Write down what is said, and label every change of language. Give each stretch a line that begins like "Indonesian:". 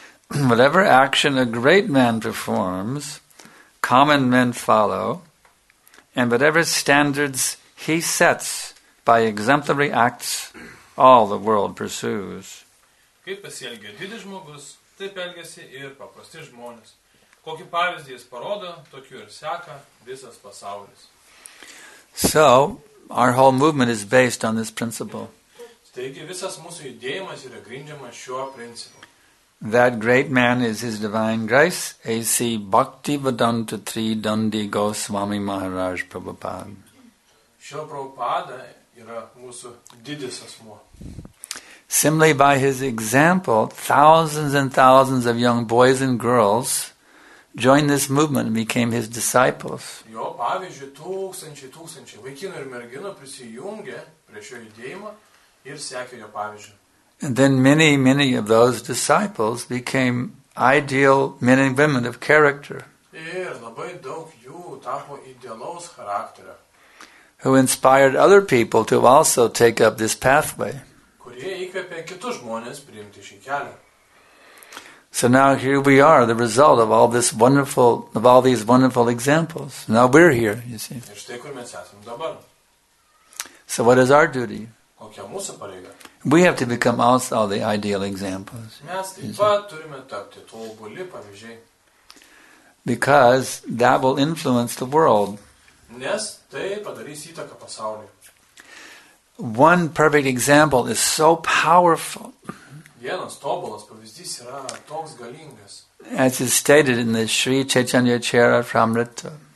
English: Whatever action a great man performs, common men follow. And whatever standards he sets by exemplary acts, all the world pursues.
Lithuanian: Kaip pasielgia didis žmogus, taip elgiasi ir paprasti žmonės. Kokį pavyzdį jis parodo, tokiu ir seka visas pasaulis.
English: So, our whole movement is based on this principle.
Lithuanian: Taigi, visas mūsų judėjimas yra grindžiamas šiuo principu.
English: That great man is His Divine Grace, A.C. Bhaktivedanta Tridandi Goswami Maharaj Prabhupada.
Lithuanian: Šio Prabhupada yra mūsų didis asmuo.
English: Similarly, by his example, thousands and thousands of young boys and girls joined this movement and became his disciples.
Lithuanian: Jo pavyzdžiui, tūkstančiai, tūkstančiai vaikinų ir merginų prisijungė prie šio judėjimo ir sekė jo pavyzdžiui.
English: And then many, many of those disciples became ideal men and women of character.
Lithuanian: Ir labai daug jų tapo idealaus charakterio.
English: Who inspired other people to also take up this pathway.
Lithuanian: Kurie įkvėpė kitus žmonės priimti šį kelią.
English: So now here we are, the result of all this wonderful, of all these wonderful examples. Now we're here, you see.
Lithuanian: Ir štai kur mes esam dabar.
English: So what is our duty?
Lithuanian: Kokia mūsų pareiga?
English: We have to become also the ideal examples.
Lithuanian: Mes taip pat turime tapti tobuli pavyzdžiai.
English: Because that will influence the world.
Lithuanian: Nes tai padarys įtaką pasaulį.
English: One perfect example is so powerful.
Lithuanian: Vienas tobulas pavyzdys yra toks galingas.
English: As is stated in the Sri Chaitanya Charitamrita.